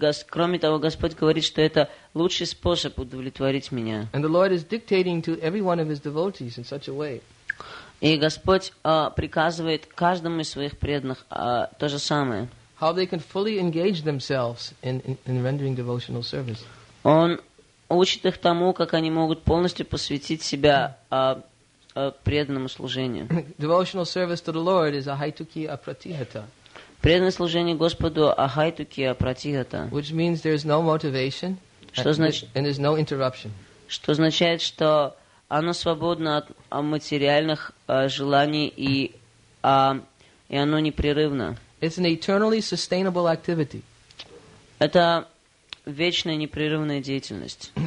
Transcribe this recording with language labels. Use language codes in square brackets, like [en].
[ru] Кроме того, Господь говорит, что это лучший способ удовлетворить меня. [en] And the Lord is dictating to every one of his devotees in such a way. [ru] И Господь приказывает каждому из своих преданных то же самое. [en] How they can fully engage themselves in rendering devotional service. [ru] Он учит их тому, как они могут полностью посвятить себя преданному служению. [en] Devotional service to the Lord is ahaituki apratihata. [ru] Преданное служение Господу ahaituki apratihata. [en] Which means there is no motivation and there is no interruption. [ru] Что означает, что оно свободно от материальных желаний и оно непрерывно. [en] It's an eternally sustainable activity. [ru] Это вечная непрерывная деятельность.